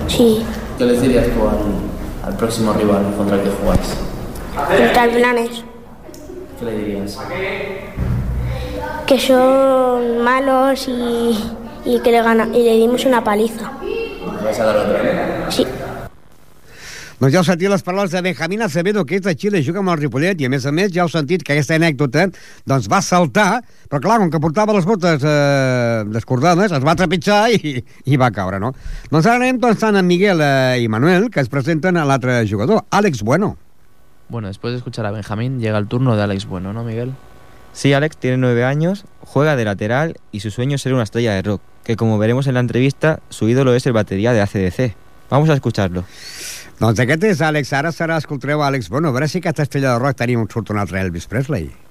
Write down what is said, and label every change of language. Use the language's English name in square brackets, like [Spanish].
[Spanish] Sí. ¿Qué les dirías tú al próximo rival contra el que jugáis? Contra el Blanes. ¿Qué le dirías? Que son malos y que le dimos una paliza. ¿Vas a dar otra? Sí. [Catalan] Doncs ja heu sentit les paraules de Benjamín Acevedo, que és de Xile, juga amb el Ripollet, i a més ja heu sentit que aquesta anècdota doncs va saltar, però clar, com que portava les botes descordades, es va trepitjar i va caure, no? Doncs ara anem doncs tant amb Miguel i Manuel, que es presenten a l'altre jugador, Àlex Bueno. [Spanish] Bueno, después de escuchar a Benjamín, llega el turno de Àlex Bueno, ¿no, Miguel? Sí, Àlex tiene 9 años, juega de lateral y su sueño es ser una estrella de rock, que como veremos en la entrevista, su ídolo es el batería de AC/DC. Vamos a escucharlo. [Catalan] Doncs aquest és Àlex. Ara serà, escoltareu a Àlex Bueno. A veure si aquesta estrella de rock tenim un surt un altre Elvis Presley.